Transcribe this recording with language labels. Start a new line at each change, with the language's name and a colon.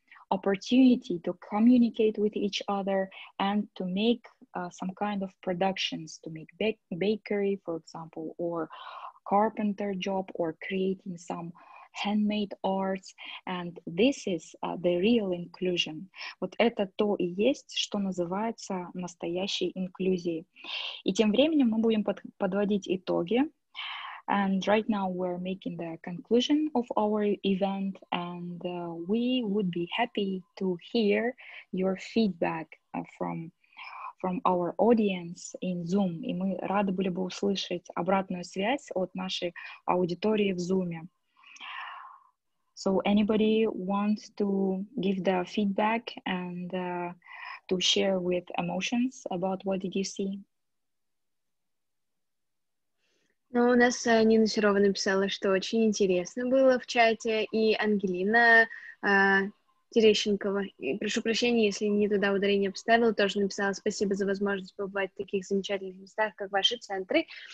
English: opportunity to communicate with each other and to make some kind of productions, to make bakery, for example, or carpenter job, or creating some handmade arts, and this is the real inclusion.
Russian: Вот это то и есть, что называется настоящей инклюзией. И тем временем мы будем подводить итоги.
English: And right now we're making the conclusion of our event, and we would be happy to hear your feedback from our audience in Zoom.
Russian: И мы рады были бы услышать обратную связь от нашей аудитории в Zoom.
English: So anybody wants to give the feedback and to share with emotions about what did you see?
Russian: Ну, у нас Нина Серова написала, что очень интересно было в чате, и Ангелина Терещенкова, и, прошу прощения, если не туда ударение поставила, тоже написала спасибо за возможность побывать в таких замечательных местах, как ваши центры.